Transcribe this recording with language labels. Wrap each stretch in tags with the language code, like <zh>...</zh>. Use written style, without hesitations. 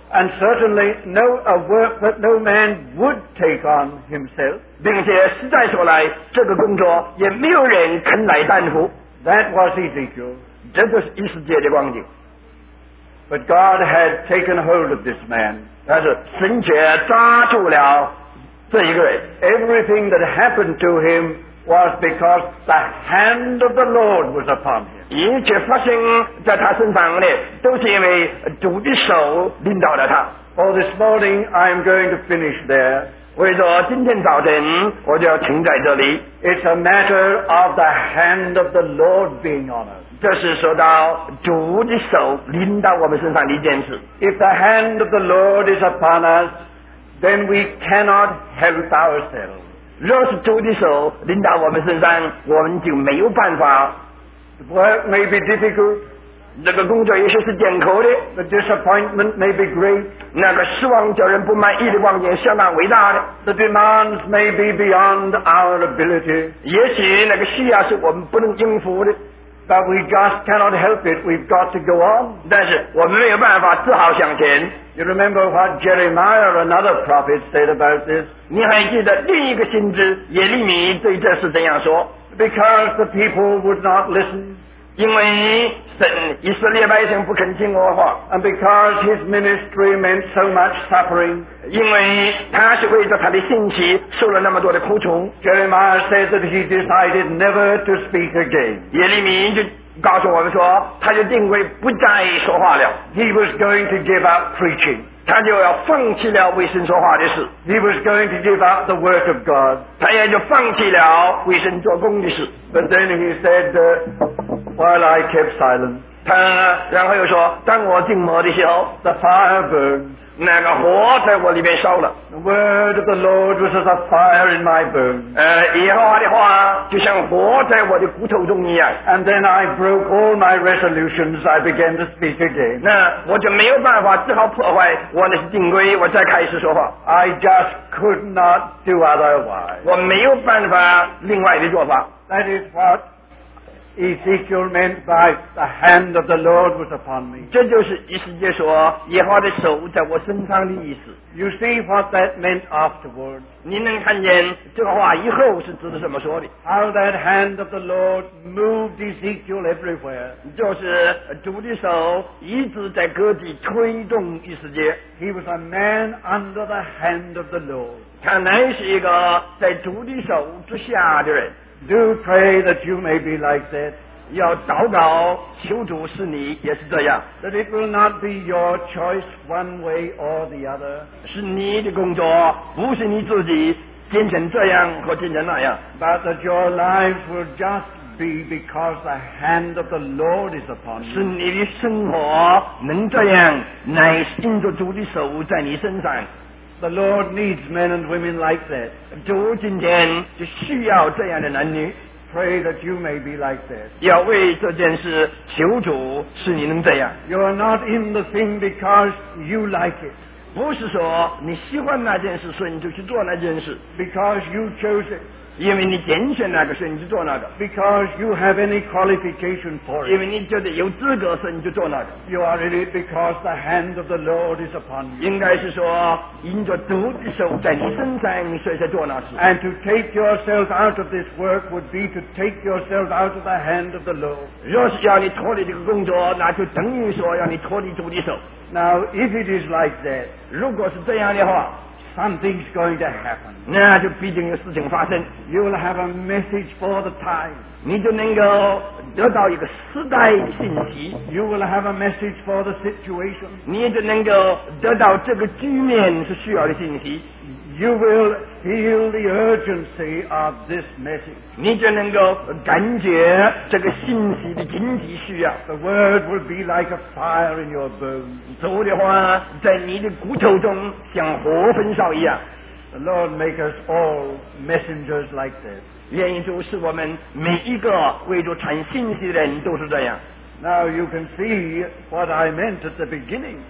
<en>And certainly no, a work that no man would take on himself.</en> <zh>并且实在说来，这个工作也没有人肯来担负。</zh> <en>That was Ezekiel.</en> <zh>这就是以斯帖的光景。</zh> <en>But God had taken hold of this man.</en> <zh>但是神却抓住了这一个人。</zh> <en>Everything that happened to him was because the hand of the Lord was upon him.</en> <zh>一切发生在他身上的都是因为主的手领导了他。</zh> <en>Oh, this morning I am going to finish there.</en> <zh>为着今天早晨我就要停在这里。</zh> <en>It's a matter of the hand of the Lord being on us.</en> <zh>这是说到主的手临到我们身上的一件事。</zh> <en>If the hand of the Lord is upon us, then we cannot help ourselves.</en> <zh>若是主的手临到我们身上，我们就没有办法。</zh> <en>The work may be difficult.</en> <zh>那个工作也许是艰苦的。</zh> <en>The disappointment may be great.</en> <zh>那个失望叫人不满意的光景相当伟大的。</zh> <en>The demands may be beyond our ability.</en> <zh>也许那个需要是我们不能应付的。</zh> <en>But we just cannot help it. We've got to go on.</en> <zh>但是我们没有办法，只好向前。</zh> <en>You remember what Jeremiah, another prophet, said about this?</en> <zh>你还记得另一个先知耶利米对这事怎样说？</zh> <en>Because the people would not listen.</en> <zh>因为神以色列百姓不肯听我话。</zh> <en>And because his ministry meant so much suffering,</en> <zh>因为他是为着他的信息受了那么多的苦衷。</zh> <en>Jeremiah says that he decided never to speak again.</en> <zh>耶利米就告诉我们说，他就定为不再说话了。</zh> <en>He was going to give up preaching.</en> <zh>他就要放弃了为神说话的事。</zh> <en>He was going to give up the work of God.</en> <zh>他也就放弃了为神做工的事。</zh> <en>But then he said, while I kept silent,</en> <zh>他然后又说，当我静默的时候</zh> <en>，the fire burned.</en> <zh>那个火在我里面烧了。</zh> <en>The word of the Lord was as a fire in my bones.</en> <zh>耶和华的话就像火在我的骨头中一样。</zh> <en>And then I broke all my resolutions. I began to speak again.</en> <zh>那我就没有办法，只好破坏我的定规，我再开始说话。</zh> <en>I just could not do otherwise.</en> <zh>我没有办法另外的做法。</zh> <en>That is what Ezekiel meant by the hand of the Lord was upon me.</en> <zh>这就是以西结说耶和华的手在我身上的意思。</zh> <en>You see what that meant afterwards.</en> <zh>您能看见这个话以后是指的怎么说的？</zh> <en>How that hand of the Lord moved Ezekiel everywhere.</en> <zh>就是主的手一直在各地推动以西结。</zh> <en>He was a man under the hand of the Lord.</en> <zh>他乃是一个在主的手之下的人。</zh> <en>Do pray that you may be like that.</en> <zh>要祷告求主是你也是这样。</zh> <en>That it will not be your choice one way or the other.</en> <zh>是你的工作，不是你自己变成这样或变成那样。</zh> <en>But that your life will just be because the hand of the Lord is upon you.</en> <zh>是你的生活能这样，乃是因着主的手在你身上。</zh> <en>The Lord needs men and women like that.</en> <zh>主今天就需要这样的男女。</zh> <en>Pray that you may be like that.</en> <zh>要为这件事求主使你能这样。</zh> <en>You are not in the thing because you like it.</en> <zh>不是说你喜欢那件事，所以你就去做那件事。</zh> <en>Because you chose it.</en> <zh>因为你拣选那个，所以你就做那个。</zh> <en>Because you have any qualification for it.</en> <zh>因为你觉得有资格，所以你就做那个。</zh> <en>You are in it because the hand of the Lord is upon you.</en> <zh>应该是说，因着主的手在你身上，所以才做那事。</zh> <en>And to take yourself out of this work would be to take yourself out of the hand of the Lord.</en> <zh>若是要你脱离这个工作，那就等于说要你脱离主的手。</zh> <en>Now, if it is like that,</en> <zh>如果是这样的话。</zh> <en>Something's going to happen.</en> <zh>那就必定有事情发生。</zh> <en>You'll have a message for the time.</en> <zh>你就能够得到一个时代的信息。</zh> <en>You will have a message for the situation.</en> <zh>你就能够得到这个局面是需要的信息。</zh> <en>You will feel the urgency of this message.</en> <zh>你就能够感觉这个信息的紧急需要。</zh> <en>The word will be like a fire in your bones.</en> <zh>主的话在你的骨头中像火焚烧一样。</zh> <en>The Lord make us all messengers like this.</en> <zh>愿意主使我们每一个为主传信息的人都是这样。</zh> <en>Now you can see what I meant at the beginning.</en>